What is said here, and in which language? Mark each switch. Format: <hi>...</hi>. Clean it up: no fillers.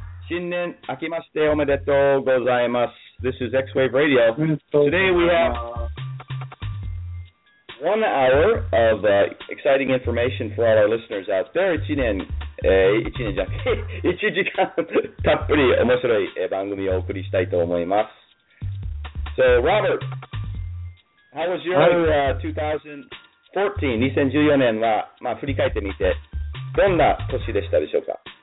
<ja>新年明けましておめでとうございます。</ja> <en>This is X-Wave Radio. Today we have 1 hour of exciting information for all our listeners out there.</en> <ja>1時間たっぷり面白い番組をお送りしたいと思います。</ja> <en>So, Robert... How was your 2014?</en> <ja>2014年は、まあ、振り返ってみてどんな年でしたでしょうか。</ja>